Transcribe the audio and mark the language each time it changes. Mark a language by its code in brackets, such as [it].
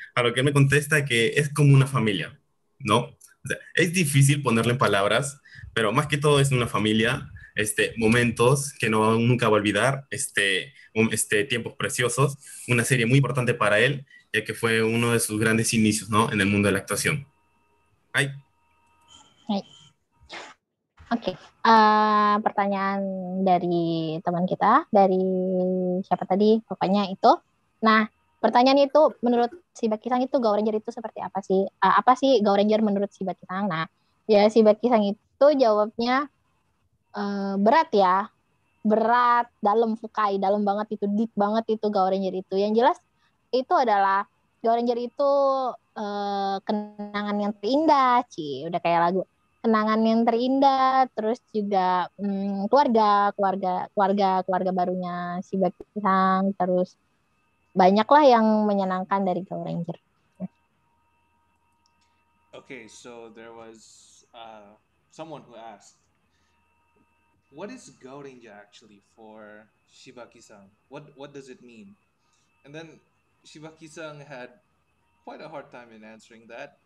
[es] A lo que me contesta que es como una familia, ¿no? O sea, es difícil ponerle en palabras, pero más que todo es una familia, momentos que no nunca va a olvidar, tiempos preciosos, una serie muy importante para él, ya que fue uno de sus grandes inicios, ¿no? En el mundo de la actuación. Ay. Hey. Okay. [id] Pertanyaan dari teman kita, dari siapa tadi? Pokoknya itu. Nah, pertanyaan itu menurut Shibaki-san itu GAORANGER itu seperti apa sih? Apa sih GAORANGER menurut Shibaki-san? Nah, ya Shibaki-san itu jawabnya berat ya. Berat, dalam fukai, dalam banget itu, deep banget itu GAORANGER itu. Yang jelas itu adalah GAORANGER itu kenangan yang terindah, sih, udah kayak lagu. Kenangan yang terindah, terus juga keluarga barunya Shibaki-san, terus banyaklah yang menyenangkan dari GAORANGER. [en] Okay, so there was someone who asked, what is GAORANGER actually for Shibaki-san? What does it mean? And then Shibaki-san had quite a hard time in answering that.